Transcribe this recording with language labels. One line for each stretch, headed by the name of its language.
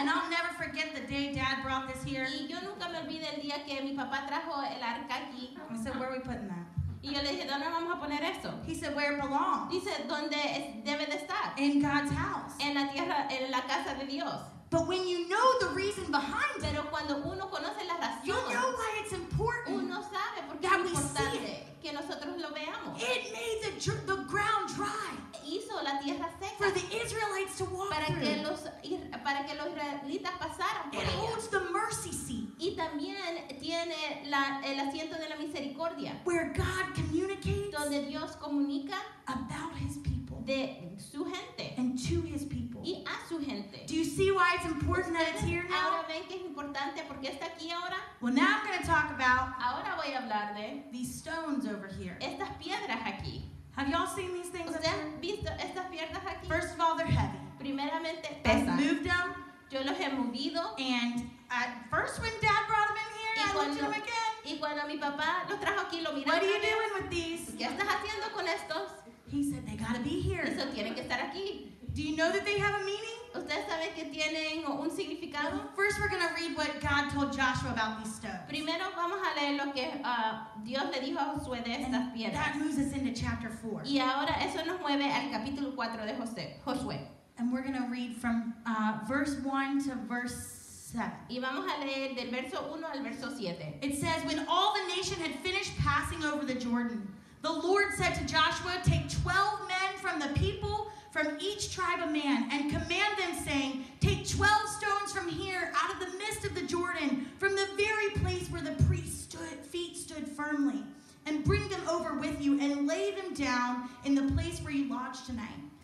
English: And I'll never forget the day Dad brought this here.
Spanish: Y yo nunca me olvidé el día que mi papá trajo el arca aquí.
English: I said, where are we putting that?
Spanish: Y yo le dije, ¿dónde vamos a poner esto?
English: He said, where it belongs.
Spanish: Dice, ¿dónde debe de estar?
English: In God's house.
Spanish: En la tierra, en la casa de Dios.
English: But when you know the reason behind
Spanish: it, cuando uno conoce la razón,
English: you know why it's important.
Spanish: Uno sabe por qué es importante que nosotros lo veamos.
English: It made the ground dry.
Spanish: Hizo la tierra seca.
English: For the Israelites to walk
Spanish: para
English: through.
Spanish: Para que los israelitas pasaran por
English: ella. It holds the mercy seat.
Spanish: Y también tiene el asiento de la misericordia.
English: Where God communicates.
Spanish: Donde Dios comunica.
English: About his people.
Spanish: De su gente.
English: And to his people.
Spanish: Y a su gente.
English: Do you see why it's important that it's here now?
Spanish: Ahora ven que es importante porque está aquí ahora.
English: Well, now I'm going to talk about.
Spanish: Ahora voy a hablar de.
English: These stones over here.
Spanish: Estas piedras aquí.
English: Have y'all seen these things?
Spanish: ¿Usted ha visto estas piedras aquí?
English: First of all, they're heavy.
Spanish: Primeramente, pesan.
English: I moved them.
Spanish: Yo los he movido.
English: And at first, when Dad brought them in here,
Spanish: y cuando,
English: I looked at them again.
Spanish: Y cuando mi papá los trajo aquí, lo miré.
English: What are you doing with these?
Spanish: ¿Qué estás haciendo con estos?
English: He said they gotta be here.
Spanish: Eso tienen que estar aquí.
English: Do you know that they have a meaning?
Spanish: ¿Usted sabe que tienen un significado?
English: First, we're gonna read what God told Joshua about these stones.
Spanish: Primero vamos a leer lo que Dios le dijo a Josué de estas piedras.
English: That moves us into chapter 4.
Spanish: Y ahora eso nos mueve al capítulo 4 de Josué.
English: And we're gonna read from verse 1 to verse 7.
Spanish: Y vamos a leer del verso 1 al verso 7.
English: It says, when all the nation had finished passing over the Jordan, the Lord said to Joshua, take 12 men from the people, from each tribe a man, and command them, saying, take 12 stones from here, out of the midst of the Jordan, from the very place where the priest's feet stood firmly, and bring them over with you, and lay them down in the place where you lodge tonight.